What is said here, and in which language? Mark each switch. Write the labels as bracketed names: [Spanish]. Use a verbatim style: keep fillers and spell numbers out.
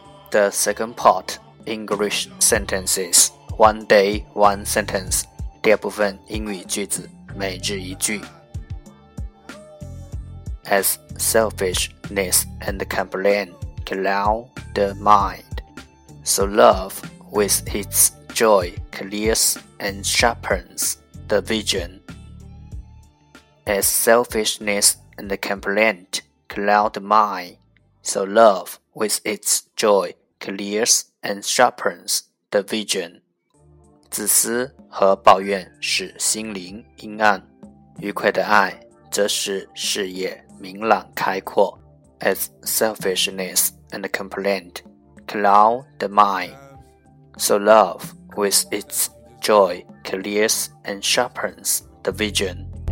[English] The second part, English sentences. One day, one sentence. [Chinese] 第二部分英语句子，每日一句。 [English] As selfishness and complaint cloud the mind, so love with its joy clears and sharpens the vision. As selfishness and complaint cloud the mind, so love with its joy clears and sharpens the vision. [Chinese] 自私和抱怨使心灵阴暗，愉快的爱则使视野明朗开阔。 [English] As selfishness and complaint cloud the mind, so love with its joy clears and sharpens the vision.